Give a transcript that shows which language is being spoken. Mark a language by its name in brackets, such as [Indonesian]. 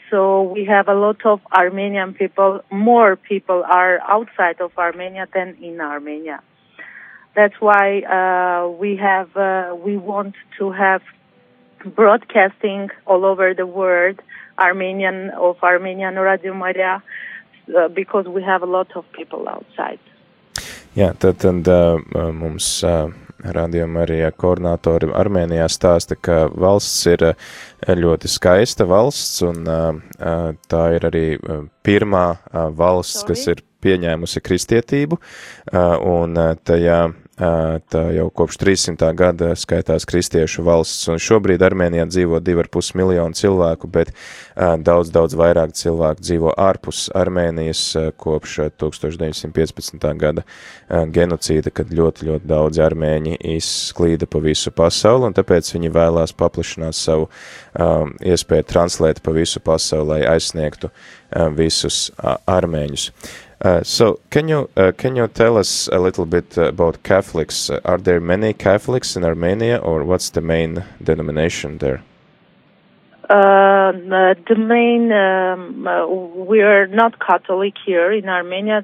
[English] So we have a lot of Armenian people. More people are outside of Armenia than in Armenia. That's why we want to have broadcasting all over the world Armenian Radio Maria, because we have a lot of people outside. [Latvian] Yeah, tad mums Radio Maria koordinātori Armēnijā stāsta, ka valsts ir ļoti skaista valsts, un tā ir arī pirmā valsts, kas ir pieņēmusi kristietību, un tajā tā jau kopš 300. Gada skaitās kristiešu valsts, un šobrīd Armēnijā dzīvo 2,5 miljonu cilvēku, bet daudz, daudz vairāk cilvēku dzīvo ārpus Armēnijas kopš 1915. Gada genocīda, kad ļoti, ļoti daudz armēņi izsklīda pa visu pasauli, un tāpēc viņi vēlās paplašināt savu iespēju translēt pa visu pasauli, lai aizsniegtu visus armēņus. [English] So can you tell us a little bit about Catholics? Are there many Catholics in Armenia, or what's the main denomination there? The main we are not Catholic here in Armenia.